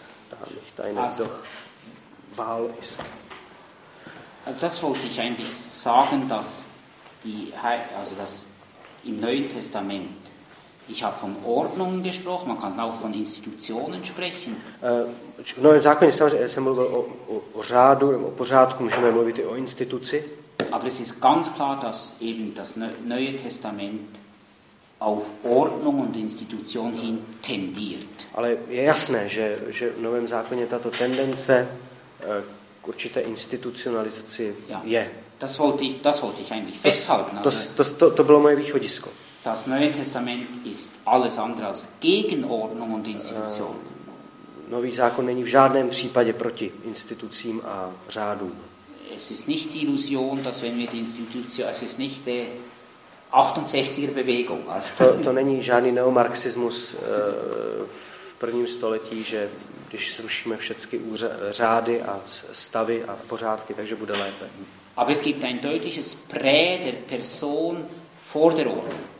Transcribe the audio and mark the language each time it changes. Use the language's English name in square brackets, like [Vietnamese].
[German] Da nicht eine doch Wahl ist. Das wollte ich eigentlich sagen, dass die, also dass im Neuen Testament, ich habe von Ordnungen gesprochen, man kann auch von Institutionen sprechen. [Czech] V Novém zákoně jsem mluvil o řádu, o pořádku, můžeme mluvit i o instituci. [German] Aber es ist ganz klar, dass eben das Neue Testament auf Ordnung und Institution hin tendiert. [Czech] Ale je jasné, že v Novém zákoně tato tendence určité institucionalizaci ja, je. [German] Das wollte ich eigentlich festhalten. [Czech] To bylo moje východisko. [German] Das Neue Testament ist alles andere als gegen Ordnung und Institution. [Czech] Nový zákon není v žádném případě proti institucím a řádům. [German] Es ist nicht die Illusion, dass wenn wir die Institution, es ist nicht der 68er Bewegung. [Czech] To není žádný neomarxismus v prvním století, že když zrušíme všechny řády a stavy a pořádky, takže bude lépe. [German] Aber es gibt ein deutliches Prä der Person vor der Ordnung.